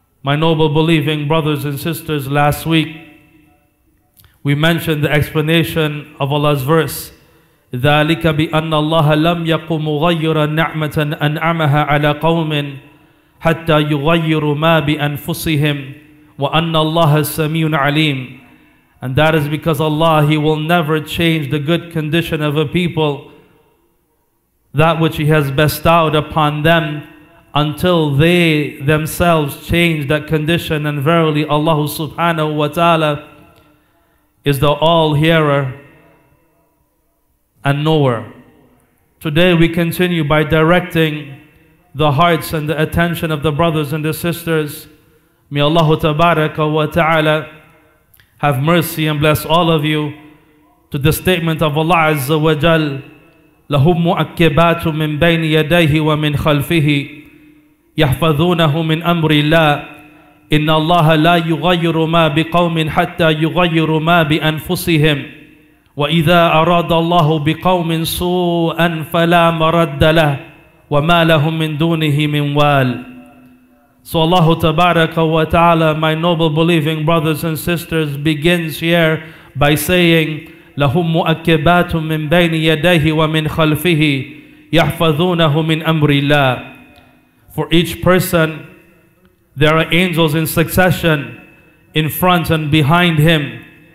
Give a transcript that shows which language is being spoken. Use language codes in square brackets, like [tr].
[en] My noble believing brothers and sisters, last week we mentioned the explanation of Allah's verse, [ar] ذَلِكَ بِأَنَّ اللَّهَ لَمْ يَقُ مُغَيِّرًا نِعْمَةً أَنْعَمَهَا عَلَى قَوْمٍ حَتَّى يُغَيِّرُ مَا بِأَنفُسِهِمْ وَأَنَّ اللَّهَ السَّمِيعُ الْعَلِيمُ. [en] And that is because Allah, He will never change the good condition of a people, that which He has bestowed upon them, until they themselves change that condition. And verily Allah subhanahu wa ta'ala is the all-hearer and knower. Today we continue by directing the hearts and the attention of the brothers and the sisters. May Allah tabaraka wa ta'ala have mercy and bless all of you to the statement of Allah azza wa jal, [ar] لَهُمْ مُؤَكِّبَاتُ مِنْ بَيْنِ يَدَيْهِ وَمِنْ خَلْفِهِ يَحْفَظُونَهُ مِنْ أَمْرِ اللَّهِ إِنَّ اللَّهَ لَا يُغَيِّرُ مَا بِقَوْمٍ حَتَّى يُغَيِّرُ مَا بِأَنفُسِهِمْ وَإِذَا أَرَادَ اللَّهُ بِقَوْمٍ سُوءًا فَلَا مَرَدَّ لَهُ وَمَا لَهُم مِّن دُونِهِ مِن وَالٍ. [en] So Allah tabaraka wa ta'ala, my noble believing brothers and sisters, begins here by saying, [ar] لَهُمْ مُؤَكِّبَاتٌ مِّن بَيْنِ يَدَيْهِ وَمِنْ خَلْفِهِ يَحْفَظُونَهُ مِنْ أَمْرِ اللَّهِ. [en] For each person, there are angels in succession, in front and behind him.